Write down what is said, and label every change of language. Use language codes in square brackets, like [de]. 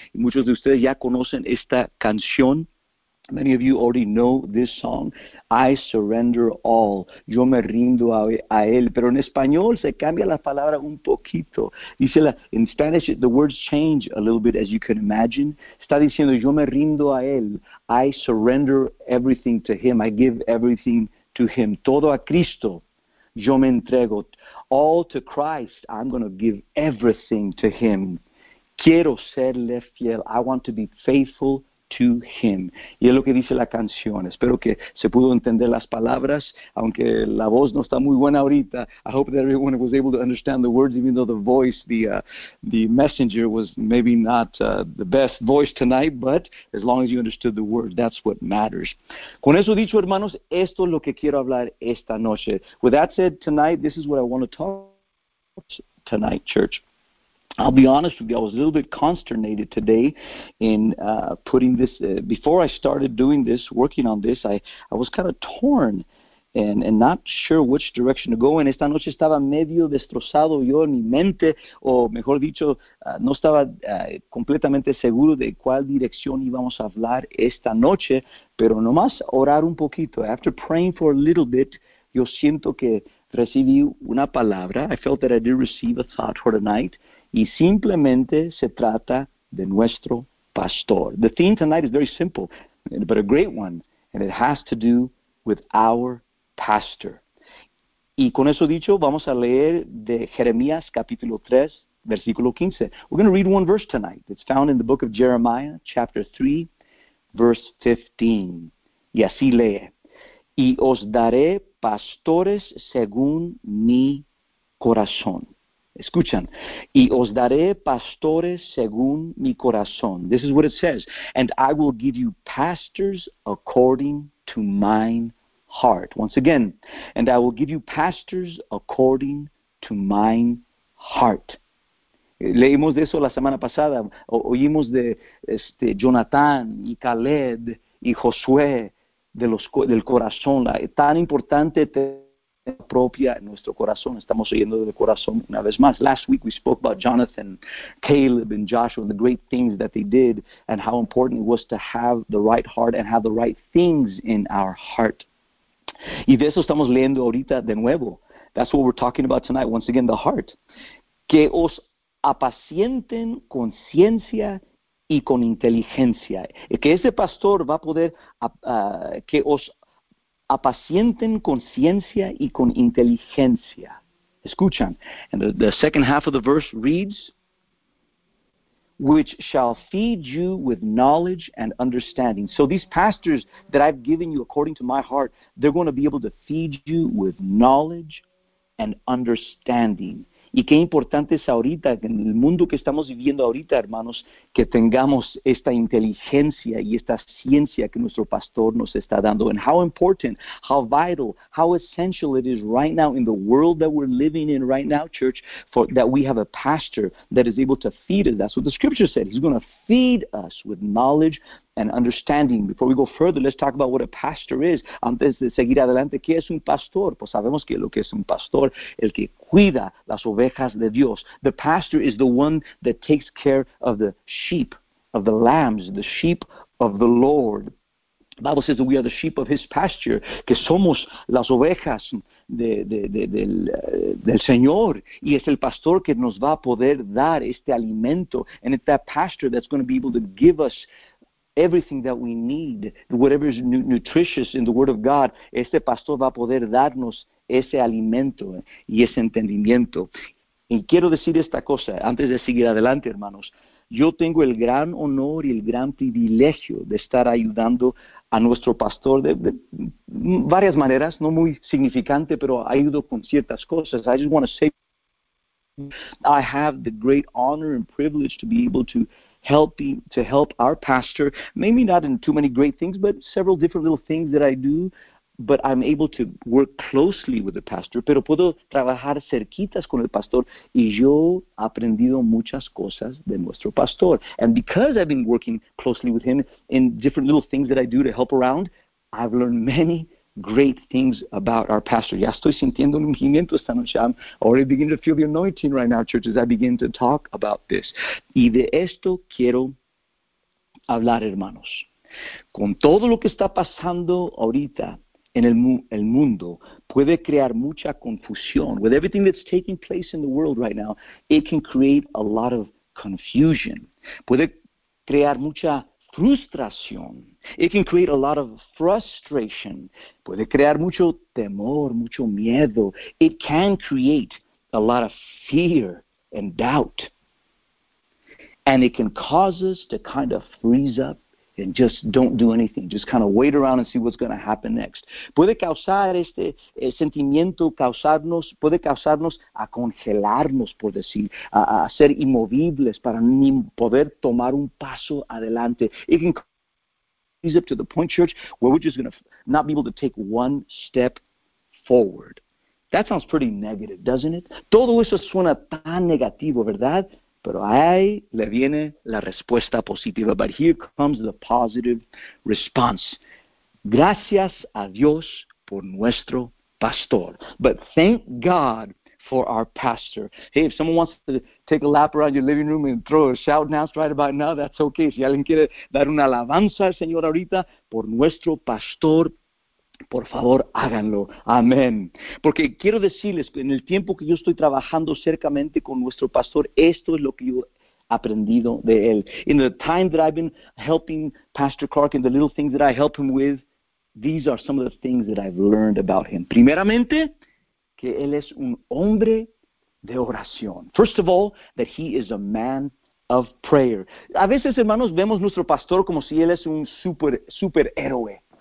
[es] Y muchos de ustedes ya conocen esta canción. [en] Many of you already know this song. I surrender all. [es] Yo me rindo a él. Pero en español se cambia la palabra un poquito. Dice la, [en] in Spanish, the words change a little bit, as you can imagine. [es] Está diciendo, yo me rindo a él. [en] I surrender everything to him. I give everything to him. [es] Todo a Cristo. Yo me entrego. [en] All to Christ. I'm going to give everything to him. [es] Quiero serle fiel. [en] I want to be faithful to him. [es] Y es lo que dice la canción. Espero que se pudo entender las palabras, aunque la voz no está muy buena ahorita. [en] I hope that everyone was able to understand the words, even though the voice, the messenger was maybe not the best voice tonight, but as long as you understood the words, that's what matters. [es] Con eso dicho, hermanos, esto es lo que quiero hablar esta noche. [en] With that said, tonight, this is what I want to talk about tonight, church. I'll be honest with you, I was a little bit consternated today in putting this, before I started doing this, working on this, I was kind of torn and not sure which direction to go in. [es] Esta noche estaba medio destrozado yo en mi mente, o mejor dicho, no estaba completamente seguro de cuál dirección íbamos a hablar esta noche, pero nomás orar un poquito. [en] After praying for a little bit, [es] yo siento que recibí una palabra. [en] I felt that I did receive a thought for tonight. [es] Y simplemente se trata de nuestro pastor. [en] The theme tonight is very simple, but a great one. And it has to do with our pastor. [es] Y con eso dicho, vamos a leer de Jeremías capítulo 3, versículo 15. [en] We're going to read one verse tonight. It's found in the book of Jeremiah, chapter 3, verse 15. [es] Y así lee. Y os daré pastores según mi corazón. Escuchan, y os daré pastores según mi corazón. [en] This is what it says. And I will give you pastors according to mine heart. Once again, and I will give you pastors according to mine heart. [es] Leímos de eso la semana pasada. Oímos de Jonathan y Caleb y Josué del corazón. Tan importante propia en nuestro corazón. Estamos oyendo del corazón una vez más. [en] Last week we spoke about Jonathan, Caleb, and Joshua and the great things that they did and how important it was to have the right heart and have the right things in our heart. [es] Y de eso estamos leyendo ahorita de nuevo. [en] That's what we're talking about tonight, once again, the heart. [es] Que os apacienten con ciencia y con inteligencia. Que ese pastor va a poder, que os apacienten con ciencia y con inteligencia. Escuchan. [en] And the second half of the verse reads, which shall feed you with knowledge and understanding. So these pastors that I've given you according to my heart, they're going to be able to feed you with knowledge and understanding. [es] Y qué importante es ahorita, en el mundo que estamos viviendo ahorita, hermanos, que tengamos esta inteligencia y esta ciencia que nuestro pastor nos está dando. [en] And how important, how vital, how essential it is right now in the world that we're living in right now, church, for that we have a pastor that is able to feed us. That's what the scripture said. He's going to feed us with knowledge and understanding. Before we go further, let's talk about what a pastor is. [es] Antes de seguir adelante, ¿qué es un pastor? Pues sabemos que lo que es un pastor, el que cuida las ovejas de Dios. [en] The pastor is the one that takes care of the sheep, of the lambs, the sheep of the Lord. The Bible says that we are the sheep of his pasture, [es] que somos las ovejas del Señor, y es el pastor que nos va a poder dar este alimento. [en] And it's that pastor that's going to be able to give us everything that we need, whatever is nutritious in the Word of God, [es] este pastor va a poder darnos ese alimento y ese entendimiento. Y quiero decir esta cosa, antes de seguir adelante, hermanos. Yo tengo el gran honor y el gran privilegio de estar ayudando a nuestro pastor de varias maneras, no muy significante, pero ayudo con ciertas cosas. [en] I just want to say, I have the great honor and privilege to be able to help our pastor, maybe not in too many great things, but several different little things that I do, but I'm able to work closely with the pastor, [es] pero puedo trabajar cerquitas con el pastor, y yo he aprendido muchas cosas de nuestro pastor. [en] And because I've been working closely with him in different little things that I do to help around, I've learned many great things about our pastor. [es] Ya estoy sintiendo un ungimiento esta noche. [en] I'm already beginning to feel the anointing right now, church, as I begin to talk about this. [es] Y de esto quiero hablar, hermanos. Con todo lo que está pasando ahorita en el mundo, puede crear mucha confusión. [en] With everything that's taking place in the world right now, it can create a lot of confusion. [es] Puede crear mucha frustración. [en] It can create a lot of frustration. [es] Puede crear mucho temor, mucho miedo. [en] It can create a lot of fear and doubt. And it can cause us to kind of freeze up and just don't do anything. Just kind of wait around and see what's going to happen next. [es] Puede causar este sentimiento, puede causarnos a congelarnos, por decir, a ser inmovibles para ni poder tomar un paso adelante. [en] It can freeze up to the point, church, where we're just going to not be able to take one step forward. That sounds pretty negative, doesn't it? [es] Todo eso suena tan negativo, ¿verdad? Pero ahí le viene la respuesta positiva. [en] But here comes the positive response. [es] Gracias a Dios por nuestro pastor. [en] But thank God for our pastor. Hey, if someone wants to take a lap around your living room and throw a shout now, right about now, that's okay. [es] Si alguien quiere dar una alabanza al Señor ahorita por nuestro pastor, por favor, háganlo. Amén. Porque quiero decirles que en el tiempo que yo estoy trabajando cercamente con nuestro pastor, esto es lo que yo he aprendido de él. [en] In the time that I've been helping Pastor Clark and the little things that I help him with, these are some of the things that I've learned about him. [es] Primeramente, que él es un hombre de oración. [en] First of all, that he is a man of prayer. [es] A veces, hermanos, vemos nuestro pastor como si él es un superhéroe.